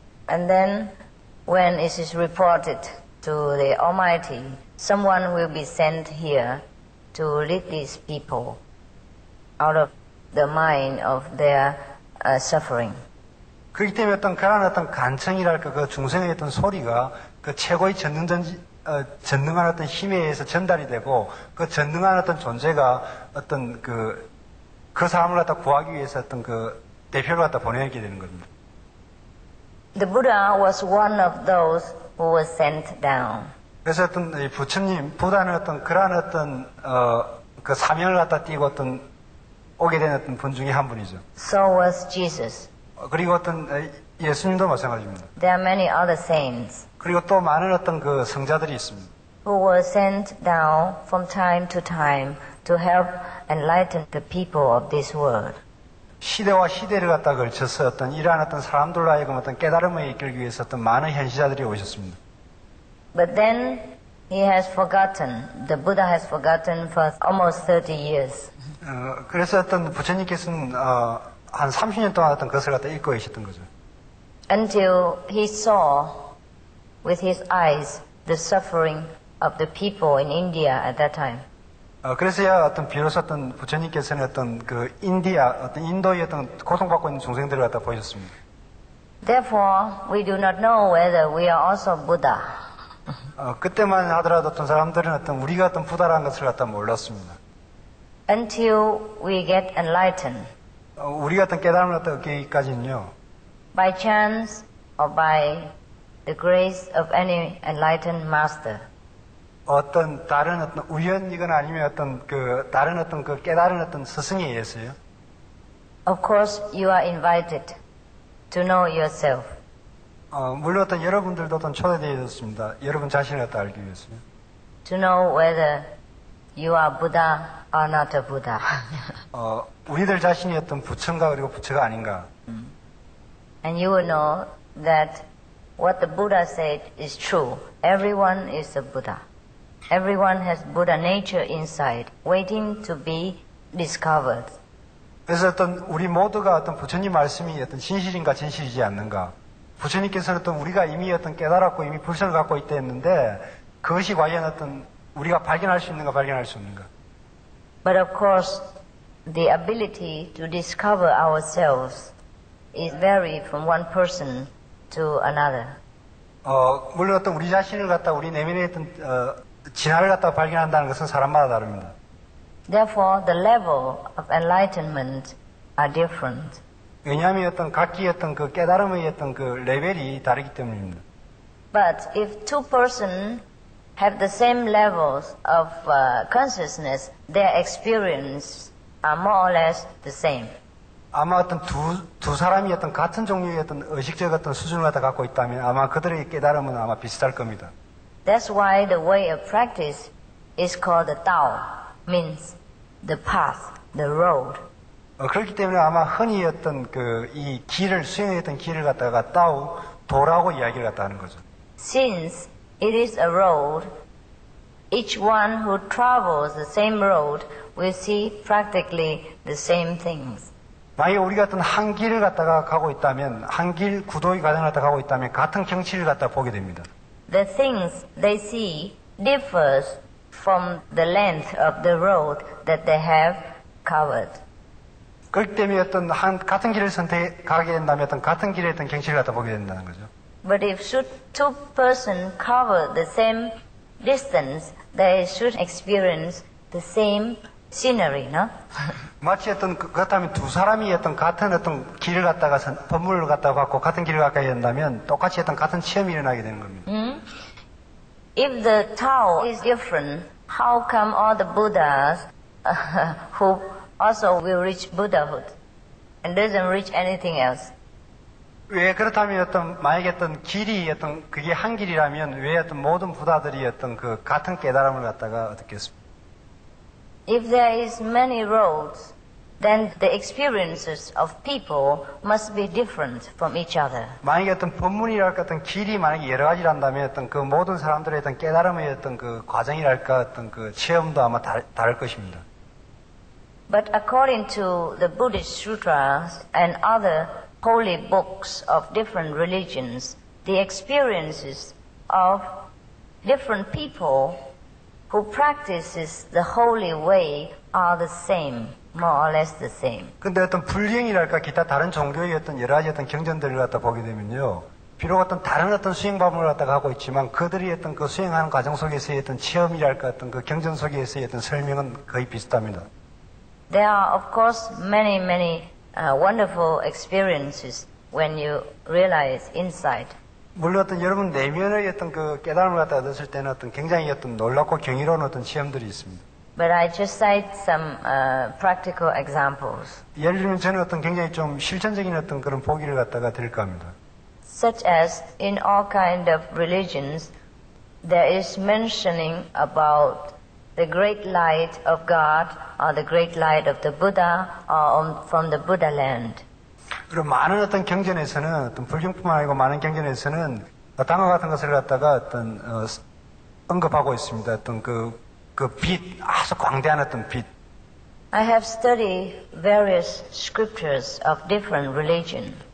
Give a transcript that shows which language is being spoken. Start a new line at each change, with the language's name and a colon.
English: And then, when it is reported to the Almighty, someone will be sent here to lead these people out of the mind of their suffering.
Korean: 그렇기 때문에 어떤 그런 어떤 간청이랄까, 그 중생의 어떤 소리가 그 최고의 전능한 어떤 힘에 의해서 전달이 되고, 그 전능한 어떤 존재가 어떤 그 사람을 갖다 구하기 위해서 어떤 그 대표를 갖다 보내게 되는 겁니다.
English: The Buddha was one of those who was sent down.
Korean: 그래서 어떤 부처님, 부다는 어떤 그런 어떤 그 사명을 갖다 띄고 어떤 오게 된 어떤 분 중에 한 분이죠.
English: So was Jesus.
Korean: 그리고 어떤 예수님도 마찬가지입니다.
English: There are many other saints.
Korean: 그리고 또 많은 어떤 그 성자들이 있습니다.
English: Who were sent down from time to time to help enlighten the people of this world.
Korean: 시대와 시대를 갖다 걸쳐서 어떤 이러한 어떤 사람들로 하여금 어떤 깨달음을 이끌기 위해서 어떤 많은 현시자들이 오셨습니다.
English: But then he has forgotten. The Buddha has forgotten for almost 30 years.
Korean: 그래서 어떤 부처님께서는 한 30년 동안 어떤 것을 갖다 잊고 계셨던 거죠.
English: Until he saw with his eyes the suffering of the people in India at that time.
Korean: 그래서야 어떤 비로소 어떤 부처님께서는 어떤 그 인디아 어떤 인도의 어떤 고통받고 있는 중생들을 갖다 보셨습니다.
English: Therefore, we do not know whether we are also Buddha.
Korean: 그때만 하더라도 어떤 사람들은 어떤 우리가 어떤 부다라는 것을 갖다 몰랐습니다.
English: Until we get enlightened.
Korean: 우리가 어떤 깨달음을 갖다 얻기까지는요.
English: By chance or by the grace of any enlightened master.
Korean: 어떤 다른 어떤 우연이거나 아니면 어떤 그 다른 어떤 그 깨달은 어떤 스승에 의해서요.
English: Of course you are invited to know yourself.
Korean: 물론 어떤 여러분들도 어떤 초대되었습니다. 여러분 자신을 갖다 알기 위해서요.
English: To know whether you are Buddha or not a Buddha.
Korean: 우리들 자신이 어떤 부처인가 그리고 부처가 아닌가.
English: And you will know that what the Buddha said is true. Everyone is a Buddha. Everyone has Buddha nature inside, waiting to be discovered.
Korean: 그래서 어떤 우리 모두가 어떤 부처님 말씀이 어떤 진실인가 진실이지 않는가. 부처님께서는 어떤 우리가 이미 어떤 깨달았고 이미 불성을 갖고 있다 했는데, 그것이 과연 어떤 우리가 발견할 수 있는가 발견할 수 없는가.
English: But of course, the ability to discover ourselves is vary from one person to another.
Korean: 물론 어떤 우리 자신을 갖다 우리 내면의 어떤 진화를 갖다 발견한다는 것은 사람마다 다릅니다.
English: Therefore, the level of enlightenment are different.
Korean: 왜냐하면 어떤 각기 어떤 그 깨달음의 어떤 그 레벨이 다르기 때문입니다.
English: But if two persons have the same levels of consciousness, their experience are more or less the same.
Korean: 아마 어떤 두 사람이 어떤 같은 종류의 어떤 의식적 어떤 수준을 갖다 갖고 있다면 아마 그들의 깨달음은 아마 비슷할 겁니다.
English: That's why the way of practice is called the Tao, means the path, the road.
Korean: 그렇기 때문에 아마 흔히 어떤 그 이 길을 수행했던 길을 갖다가 Tao, 도라고 이야기를 갖다 하는 거죠.
English: Since it is a road, each one who travels the same road will see practically the same things.
Korean: 만약 우리가 어떤 한 길을 갖다가 가고 있다면 한 길 구도의 과정을 갖다 가고 있다면 같은 경치를 갖다 보게 됩니다.
English: The things they see differs from the length of the road that they have covered.
Korean: 그렇기 때문에 어떤 한 같은 길을 선택하게 된다면 어떤 같은 길의 어떤 경치를 갖다 보게 된다는 거죠.
English: But if should two persons cover the same distance, they should experience the same scenery, no?
Korean: 마치 어떤 그렇다면 두 사람이 어떤 같은 어떤 길을 갔다가 법문을 갖다가 갖고 같은 길을 갖다가 한다면 똑같이 어떤 같은 체험이 일어나게 되는 겁니다.
English: If the Tao is different, how come all the Buddhas who also will reach Buddhahood and doesn't reach anything else?
Korean: 왜 그렇다면 어떤 만약에 어떤 길이 어떤 그게 한 길이라면 왜 어떤 모든 부다들이 어떤 그 같은 깨달음을 갖다가 얻겠습니까?
English: If there is many roads, then the experiences of people must be different from each other.
Korean: 만약에 어떤 법문이랄까 어떤 길이 만약에 여러 가지란다면 어떤 그 모든 사람들의 어떤 깨달음의 어떤 그 과정이랄까 어떤 그 체험도 아마 다를 것입니다.
English: But according to the Buddhist sutras and other holy books of different religions, the experiences of different people who practices the holy way are the same, more or less the same.
Korean: 근데 어떤 불경이랄까 기타 다른 종교의 어떤 여러 가지 어떤 경전들을 갖다 보게 되면요, 비록 어떤 다른 어떤 수행 방법을 갖다가 하고 있지만 그들이 어떤 그 수행하는 과정 속에서의 어떤 체험이랄까 어떤 그 경전 속에서의 어떤 설명은 거의 비슷합니다.
English: There are of course many many wonderful experiences when you realize insight.
Korean: 물론 어떤 여러분 내면의 어떤 그 깨달음을 갖다 얻었을 때는 어떤 굉장히 어떤 놀랍고 경이로운 어떤 체험들이 있습니다.
English: But I just cite some practical examples.
Korean: 예를 들면 저는 어떤 굉장히 좀 실천적인 어떤 그런 보기를 갖다가 드릴까 합니다.
English: Such as in all kind of religions, there is mentioning about the great light of God or the great light of the Buddha or from the Buddha land.
Korean: 그리고 많은 어떤 경전에서는 어떤 불경뿐만 아니고 많은 경전에서는 단어 같은 것을 갖다가 어떤 언급하고 있습니다. 어떤 그 빛, 아주 광대한 어떤 빛.
English: I have studied various scriptures of different religion.